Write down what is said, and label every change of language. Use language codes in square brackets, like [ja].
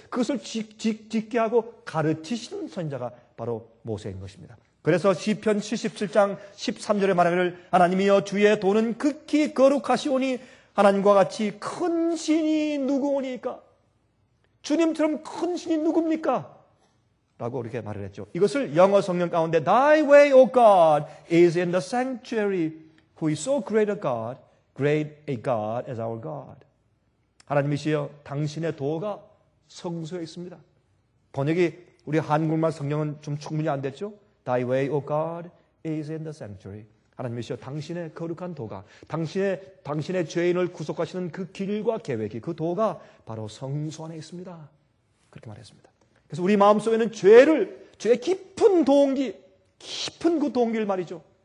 [ko] 그것을 짓게 하고 가르치시는 선자가 바로 모세인 것입니다. 그래서 시편 77장 13절에 말하기를 하나님이여 주의 도는 극히 거룩하시오니 하나님과 같이 큰 신이 누구오니까? 주님처럼 큰 신이 누굽니까? 라고 이렇게 말을 했죠. 이것을 영어 성경 가운데 [en] Thy way, O God, is in the sanctuary. Who is so great a God, great a God as our God. [ko] 하나님이시여 당신의 도가 성소에 있습니다. 번역이 우리 한국말 성경은 좀 충분히 안 됐죠? [en] Thy way, O God, is in the sanctuary. [ko] 하나님이시여 당신의 거룩한 도가, 당신의 죄인을 구속하시는 그 길과 계획이, 그 도가 바로 성소 안에 있습니다. 그렇게 말했습니다. 그래서 우리 마음속에는 죄의 깊은 동기, 깊은 그 동기를 말이죠.